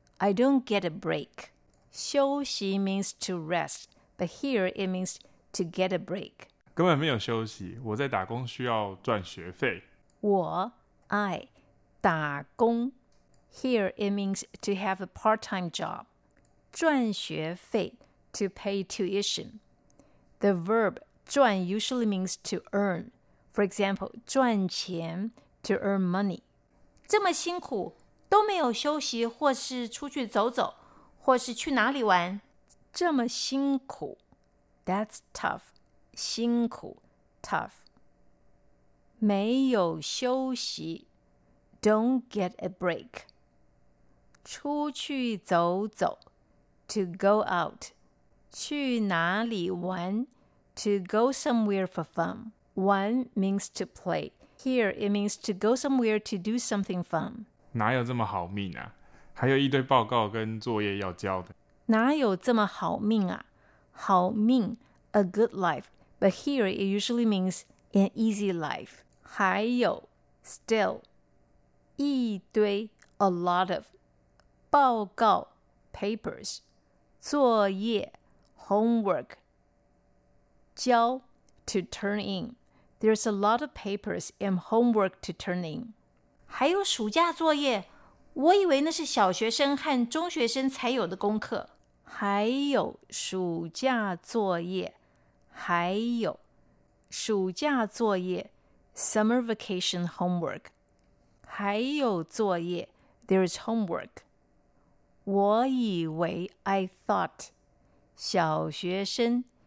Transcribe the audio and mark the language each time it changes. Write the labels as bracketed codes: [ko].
[en] I don't get a break 休息 means to rest but here it means to get a break [zh] 根本没有休息我在打工需要赚学费 [en] 我 I 打工 here it means to have a part-time job 赚学费 to pay tuition the verb赚 usually means to earn. For example, 赚钱 to earn money. [zh] 这么辛苦都没有休息或是出去走走或是去哪里玩。这么辛苦 [en] That's tough. 辛苦 tough. [zh] 没有休息 [en] Don't get a break. [zh] 出去走走 [en] To go out. [zh] 去哪里玩 [en] To go somewhere for fun. 玩 means to play. Here, it means to go somewhere to do something fun. [zh] 哪有这么好命啊？还有一堆报告跟作业要交的。哪有这么好命啊？好命 [en] a good life. But here, it usually means an easy life. 还有 still, 一堆 a lot of, 报告 papers, 作业 homework,交 to turn in. There's a lot of papers and homework to turn in. [zh] 还有暑假作业，我以为那是小学生和中学生才有的功课。还有暑假作业，还有暑假作业 ， [en] summer vacation homework. [zh] 还有作业 ， [en] there's homework. [zh] 我以为 [en] I thought [zh] 小学生。